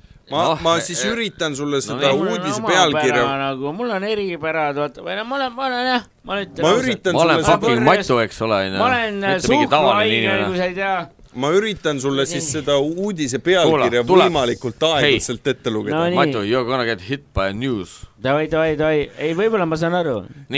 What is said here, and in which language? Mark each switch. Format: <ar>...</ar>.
<et>ma siis üritan sulle seda uudise pealkirja . Nagu, mul on eripärad , vaata , või no ma olen jah , ma ütlen . ma olen fucking matu , eks ole . ma olen suhkruhaige , kui sa ei tea . ma üritan sulle siis seda uudise pealkirja võimalikult aeglaselt ette lugeda .</et> <en>Matu , you are gonna get hit by news .</en> <et>Davai , ei võib-olla ma saan aru .</et>